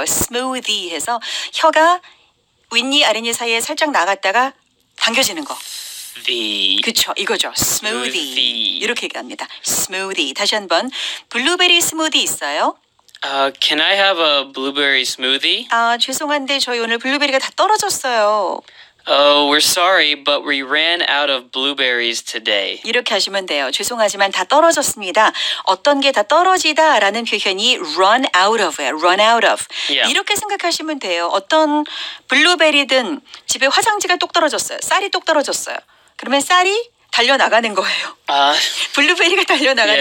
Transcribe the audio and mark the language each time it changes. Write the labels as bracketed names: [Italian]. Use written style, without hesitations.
[Korean] Smoothie 해서 혀가 윗니, 아랫니 사이에 살짝 나갔다가 당겨지는 거. [English] The. [Korean] 그쵸, 이거죠. Smoothie. Smoothie. 이렇게 얘기합니다. Smoothie. 다시 한번. 블루베리 스무디 있어요? [English] Can I have a blueberry smoothie? [Korean] 아, 죄송한데 저희 오늘 블루베리가 다 떨어졌어요. [English] Oh, we're sorry, but we ran out of blueberries today. [Korean] 이렇게 하시면 돼요. 죄송하지만 다 떨어졌습니다. 어떤 게 다 떨어지다라는 표현이 run out of예요. Run out of. [English] Yeah. [Korean] 이렇게 생각하시면 돼요. 어떤 블루베리든 집에 화장지가 똑 떨어졌어요. 쌀이 똑 떨어졌어요. 그러면 쌀이 달려나가는 거예요. 블루베리가 달려나가는